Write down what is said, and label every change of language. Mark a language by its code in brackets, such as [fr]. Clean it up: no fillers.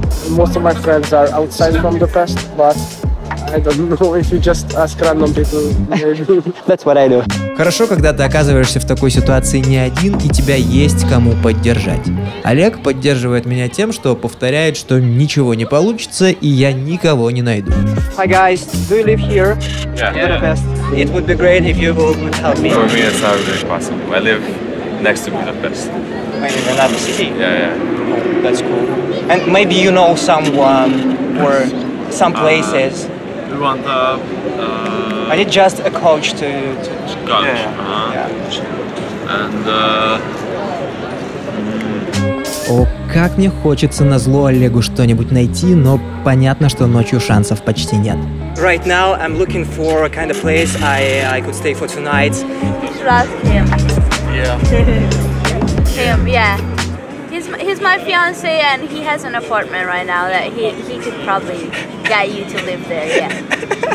[ru] Большинство моих друзей [en] outside from Budapest, but I don't know if you just ask random people, maybe. That's what I do. [ru] Хорошо, когда ты оказываешься в такой ситуации не один, и тебя есть кому поддержать. Олег поддерживает меня тем, что повторяет, что ничего не получится, и я никого не найду. [en] Hi guys, do you live here? Yeah. Budapest. It would be great if you would help me. For me, it's not really possible. I live next to Budapest. Wait, in another city? Yeah. Oh, that's cool. And maybe you know someone or some places. We want the... I need just a coach to coach. Yeah. And [ru] О, как мне хочется назло Олегу что-нибудь найти, но понятно, что ночью шансов почти нет. [en] Right now I'm looking for a kind of place I could stay for tonight. You should ask him. Yeah. Him, yeah. He's my fiance and he has an apartment right now that he could probably get you to live there, yeah.